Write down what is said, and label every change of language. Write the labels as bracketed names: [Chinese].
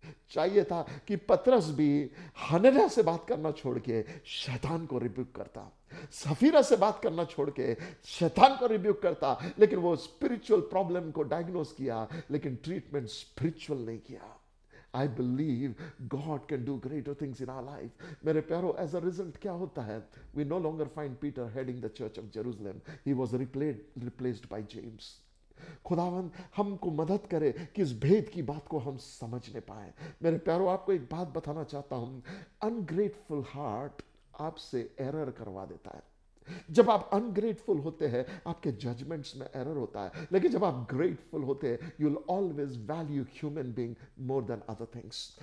[Hindi] चाहिए था कि पतरस भी हनन्याह से बात करना छोड़ के शैतान को रिब्यूक करता, सफीरा से बात करना छोड़ के शैतान को रिब्यूक करता, लेकिन वो स्पिरिचुअल प्रॉब्लम को डायग्नोस किया लेकिन ट्रीटमेंट स्पिरिचुअल नहीं किया। [English] I believe God can do greater things in our life. [Hindi] Mere pyaro, [English] as a result, [Hindi] kya hota hai? [English] We no longer find Peter heading the church of Jerusalem. He was replaced by James. [Hindi] खुदावन हमको मदद करे कि इस भेद की बात को हम समझ नहीं पाए। मेरे प्यारों, आपको एक बात बताना चाहता हूं, अनग्रेटफुल हार्ट आपसे एरर करवा देता है। जब आप अनग्रेटफुल होते हैं आपके जजमेंट्स में एरर होता है, लेकिन जब आप ग्रेटफुल होते हैं [English] You will always value human being more than other things.